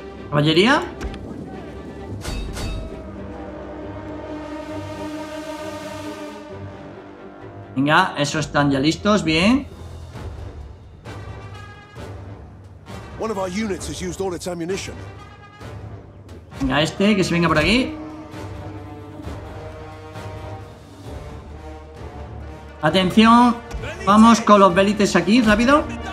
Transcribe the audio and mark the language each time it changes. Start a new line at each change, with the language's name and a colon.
Spanish: Caballería. Venga, eso están ya listos, bien.
English: One of our units has used all its ammunition.
Spanish: Venga, este, que se venga por aquí. Atención, Vamos con los Belites aquí, rápido.